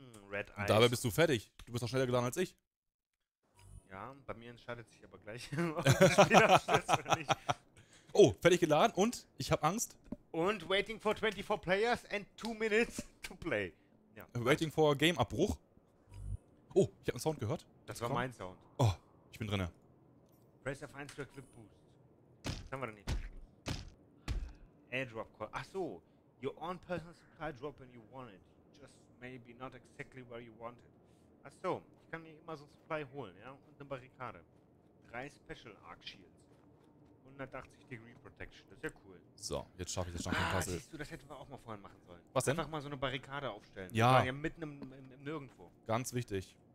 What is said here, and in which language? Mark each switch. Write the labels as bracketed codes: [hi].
[en] Red [de] Eyes. Dabei bist du fertig. Du bist auch schneller geladen als ich. Ja, bei mir entscheidet sich aber gleich, ob das Spiel abstürzt oder nicht. Oh, fertig geladen und ich habe Angst. Und [en] waiting for 24 players and 2 minutes to play. Ja. Waiting for Game-Abbruch. [de] Oh, ich habe einen Sound gehört. Das war mein Sound. Oh, ich bin drinne. [en] Press F1 [de] für Clip Boost. Was haben wir denn hier? Airdrop Call. Ach so. [en] Your own personal supply drop when you want it. Just maybe not exactly where you want it. [de] Ach so. Ich kann mir immer so ein Supply holen, ja? Und eine Barrikade. [en] 3 Special Arc Shields. 180 Degree Protection. [de] Das ist ja cool. So, jetzt schaffe ich das schon. Ah, siehst du, das hätten wir auch mal vorhin machen sollen. Was denn? Einfach mal so eine Barrikade aufstellen. Ja. Ja, mitten im Nirgendwo. Ganz wichtig.